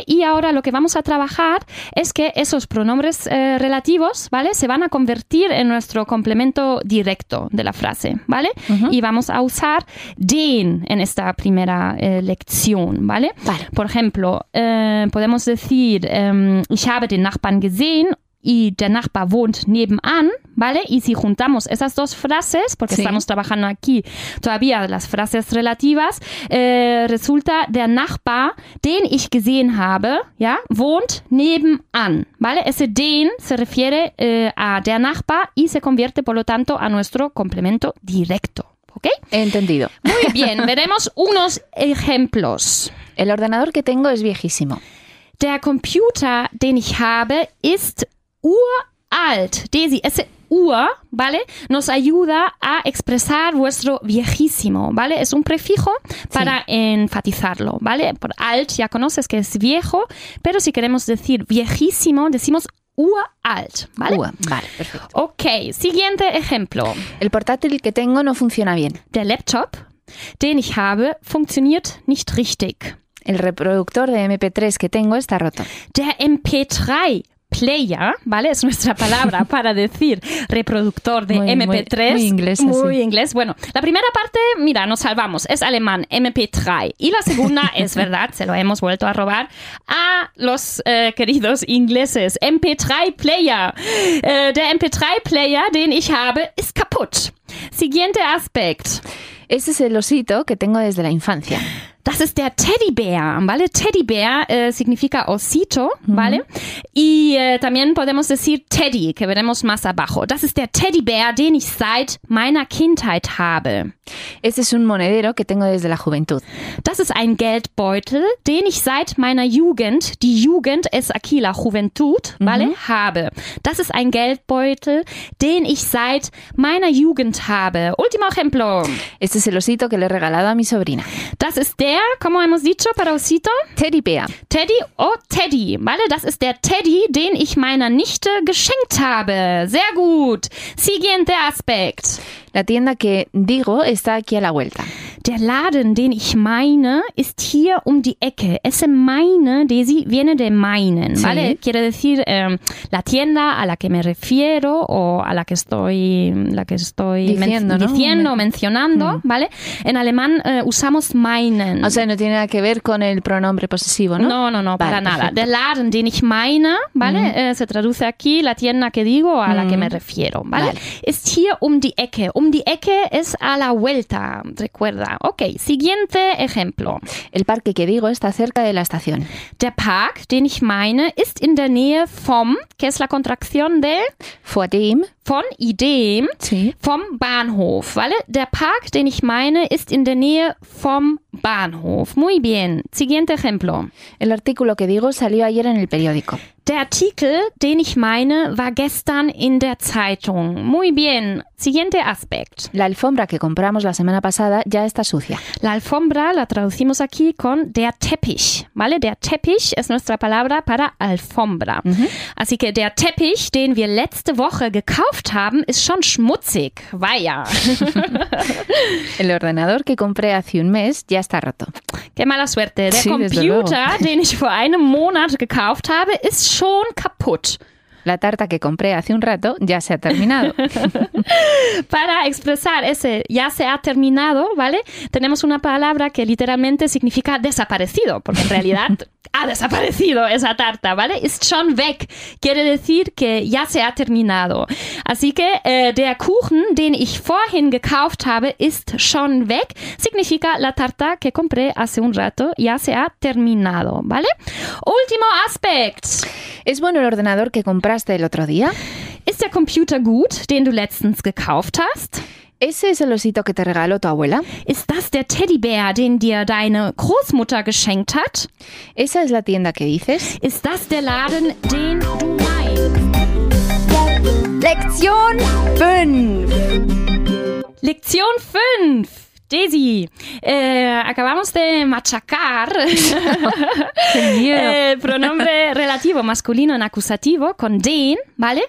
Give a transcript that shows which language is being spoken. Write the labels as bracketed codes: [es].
[es] Y ahora lo que vamos a trabajar es que esos pronombres relativos, ¿vale? Se van a convertir en nuestro complemento directo de la frase, ¿vale? Uh-huh. Y vamos a usar den en esta primera lección, ¿vale? Vale. Por ejemplo, podemos decir, [de] ich habe den Nachbarn gesehen y der Nachbar wohnt nebenan, ¿vale? [es] Y si juntamos esas dos frases, porque sí. estamos trabajando aquí todavía las frases relativas, resulta [de] der Nachbar, den ich gesehen habe, [es] ¿ya? [de] Wohnt nebenan, [es] ¿vale? Ese den se refiere a der Nachbar y se convierte, por lo tanto, a nuestro complemento directo, ¿ok? Entendido. Muy bien, veremos unos ejemplos. El ordenador que tengo es viejísimo. [de] Der Computer, den ich habe, ist uralt. [es] Desi, ese ur, ¿vale? Nos ayuda a expresar vuestro viejísimo, ¿vale? Es un prefijo para sí. enfatizarlo, ¿vale? Por alt ya conoces que es viejo, pero si queremos decir viejísimo, decimos uralt, ¿vale? Vale, perfecto. Ok, siguiente ejemplo. El portátil que tengo no funciona bien. [de] Der Laptop, den ich habe, funktioniert nicht richtig. [es] El reproductor de MP3 que tengo está roto. [de] Der MP3 player, ¿vale? [es] Es nuestra palabra para decir reproductor de MP3. Muy inglés. Muy inglés. Bueno, la primera parte, mira, nos salvamos. Es alemán, MP3. Y la segunda, es verdad, se lo hemos vuelto a robar a los queridos ingleses. [de] MP3 player. Der MP3 player, den ich habe, ist kaputt. [es] Siguiente aspect. Ese es el osito que tengo desde la infancia. [de] Das ist der Teddybär, ¿vale? [es] Teddybär significa osito, ¿vale? Mm-hmm. Y también podemos decir Teddy, que veremos más abajo. [de] Das ist der Teddybär, den ich seit meiner Kindheit habe. [es] Ese es un monedero que tengo desde la juventud. [de] Das ist ein Geldbeutel, den ich seit meiner Jugend, die Jugend [es] es aquí la juventud, [de] ¿vale? Mm-hmm. Habe. Das ist ein Geldbeutel, den ich seit meiner Jugend habe. [es] Último ejemplo. Este es el osito que le he regalado a mi sobrina. [de] Das ist der, [es] como hemos dicho, para osito. Teddy Bear. Teddy o Teddy, ¿vale? [de] Das ist der Teddy, den ich meiner Nichte geschenkt habe. Sehr gut. Siguiente Aspekt. [es] La tienda que digo está aquí a la vuelta. [de] Der Laden, den ich meine, ist hier um die Ecke. [es] Ese meine, Desi, viene de meinen, sí. ¿vale? Quiere decir la tienda a la que me refiero o a la que estoy diciendo, diciendo mencionando, ¿vale? En alemán usamos meinen. O sea, no tiene nada que ver con el pronombre posesivo, ¿no? No, vale, para nada. Perfecto. [de] Der Laden, den ich meine, [es] ¿vale? Mm. Se traduce aquí la tienda que digo a la que me refiero, ¿vale? [de] Vale. Ist hier um die Ecke. Um die Ecke [es] es a la vuelta, recuerda. Ok, siguiente ejemplo. El parque que digo está cerca de la estación. [de] Der Park, den ich meine, ist in der Nähe vom, [es] que es la contracción de... [de] Vor dem. [es] Von y dem. Sí. [de] Vom Bahnhof, ¿vale? Der Park, den ich meine, ist in der Nähe vom Bahnhof. [es] Muy bien, siguiente ejemplo. El artículo que digo salió ayer en el periódico. [de] Der Artikel, den ich meine, war gestern in der Zeitung. [es] Muy bien. Siguiente aspect. La alfombra que compramos la semana pasada ya está sucia. La alfombra la traducimos aquí con der Teppich, ¿vale? Der Teppich es nuestra palabra para alfombra. Uh-huh. Así que [de] der Teppich, den wir letzte Woche gekauft haben, ist schon schmutzig. [es] Vaya. El ordenador que compré hace un mes ya está roto. Qué mala suerte. Der sí, [de] Computer, den ich vor einem Monat gekauft habe, ist schon kaputt. [es] La tarta que compré hace un rato ya se ha terminado. Para expresar ese ya se ha terminado, ¿vale? Tenemos una palabra que literalmente significa desaparecido, porque en realidad ha desaparecido esa tarta, ¿vale? [de] Ist schon weg. [es] Quiere decir que ya se ha terminado. Así que [de] der Kuchen, den ich vorhin gekauft habe, ist schon weg. [es] Significa la tarta que compré hace un rato ya se ha terminado, ¿vale? Último aspect. ¿Es bueno el ordenador que compré? El otro día. [de] ¿Es der Computer gut, den du letztens gekauft hast? [es] ¿Ese es el osito que te regaló tu abuela? [de] ¿Es das der Teddybär, den dir deine Großmutter geschenkt hat? [es] ¿Esa es la tienda que dices? [de] ¿Es das der Laden, den du meinst? [es] Lección 5. Lección 5. Desi, acabamos de machacar el pronombre relativo masculino en acusativo con den, ¿vale?